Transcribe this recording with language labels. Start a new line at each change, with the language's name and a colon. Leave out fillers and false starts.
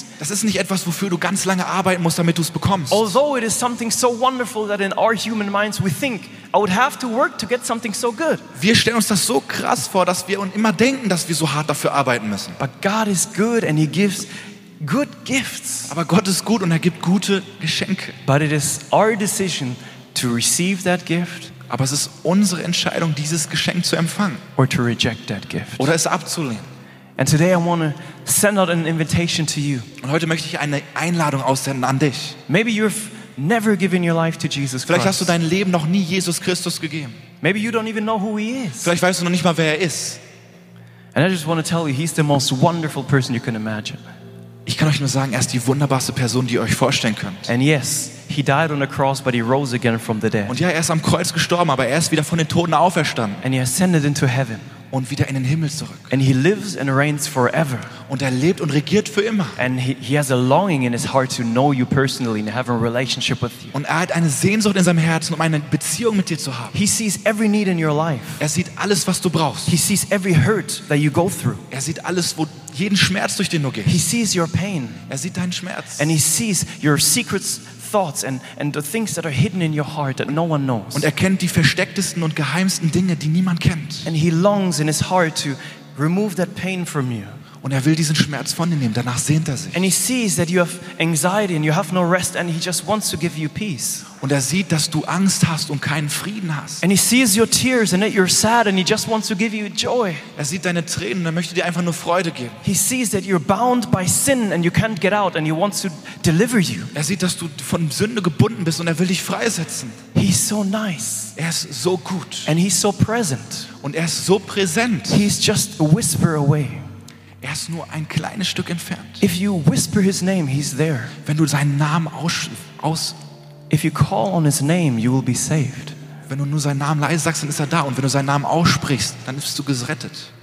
German: Das ist nicht etwas, wofür du ganz lange arbeiten musst, damit du es bekommst.
English: Although it is something so wonderful that in our human minds we think I would have to work to get something so good.
German: Wir stellen uns das so krass vor, dass wir uns immer denken, dass wir so hart dafür arbeiten müssen.
English: But God is good and he gives good gifts.
German: Aber Gott ist gut und er gibt gute Geschenke.
English: But it is our decision to receive that gift,
German: aber es ist unsere Entscheidung, dieses Geschenk zu empfangen,
English: or to reject that gift,
German: oder es abzulehnen.
English: And today I want to send out an invitation to you.
German: Und heute möchte ich eine Einladung aussenden an dich.
English: Maybe you've never given your life to Jesus Christ.
German: Vielleicht hast du dein Leben noch nie Jesus Christus gegeben.
English: Maybe you don't even know who he is.
German: Vielleicht weißt du noch nicht mal, wer er ist.
English: And I just want to tell you, he's the most wonderful person you can imagine.
German: Ich kann euch nur sagen, er ist die wunderbarste Person, die ihr euch vorstellen könnt.
English: And yes, he died on the cross, but he rose again from the dead.
German: Und ja, er ist am Kreuz gestorben, aber er ist wieder von den Toten auferstanden.
English: And he ascended into heaven.
German: Und wieder in den Himmel zurück.
English: And he lives and reigns forever.
German: Und er lebt und regiert für immer.
English: And he has a longing in his heart to know you personally and have a relationship with you.
German: Und er hat eine Sehnsucht in seinem Herzen, um eine Beziehung mit dir zu haben.
English: He sees every need in your life.
German: Er sieht alles, was du brauchst.
English: He sees every hurt that you go through.
German: Er sieht alles, wo jeden Schmerz, durch den du gehst.
English: He sees your pain.
German: Er sieht deinen Schmerz.
English: And he sees your secrets, thoughts and the things that are hidden in your heart that no one knows.
German: Und er kennt die verstecktesten und geheimsten Dinge, die niemand kennt.
English: And he longs in his heart to remove that pain from you.
German: Und er will diesen Schmerz von dir nehmen, danach sehnt er sich.
English: And he sees that you have anxiety and you have no rest and he just wants to give you peace.
German: Und er sieht, dass du Angst hast und keinen Frieden hast.
English: And he sees your tears and that you're sad and he just wants to give you joy.
German: Er sieht deine Tränen und er möchte dir einfach nur Freude geben.
English: He sees that you're bound by sin and you can't get out and he wants to deliver you.
German: Er sieht, dass du von Sünde gebunden bist und er will dich freisetzen.
English: He's so nice.
German: Er ist so gut.
English: And he's so present.
German: Und er ist so präsent.
English: He's just a whisper away.
German: Er ist nur ein kleines Stück entfernt.
English: If you whisper his name, he's there.
German: Wenn du seinen Namen aus
English: If you call on his name, you will be saved.
German: Wenn du nur seinen Namen leise sagst, dann ist er da. Und wenn du seinen Namen aussprichst, dann bist du gerettet.